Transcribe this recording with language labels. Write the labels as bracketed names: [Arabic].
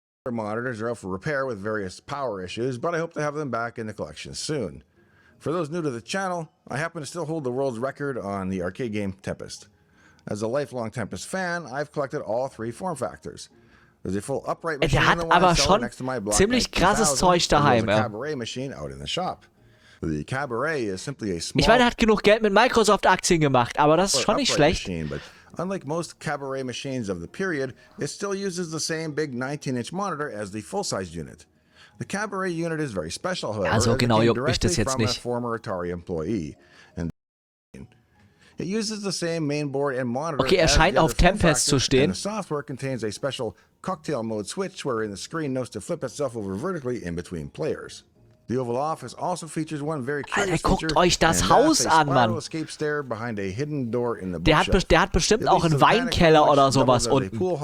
[English] Monitors are up for repair with various power issues, but I hope to have them back in the collection soon. For those new to the channel, I happen to still hold the world's record on the arcade game Tempest. As a lifelong Tempest fan, I've collected all three form factors. [German] Er hat aber schon ziemlich krasses Zeug daheim. Ich meine, er hat genug Geld mit Microsoft-Aktien gemacht, aber das ist schon nicht schlecht. [English] Unlike most cabaret machines of the period, it still uses the same big 19-inch monitor as the full-size unit. The cabaret unit is very special, however, [German] also genau juckt mich das jetzt nicht. [English] A former Atari employee. And it uses the same main board and monitor. [German] Okay, scheint auf Tempest zu stehen. [English] The software contains a special cocktail mode switch wherein the screen knows to flip itself over vertically in between players. The Oval Office also features one very curious [German] Alter, [English] feature. [German] Guckt euch das Haus an, Mann. Der hat bestimmt auch einen Weinkeller oder sowas unten.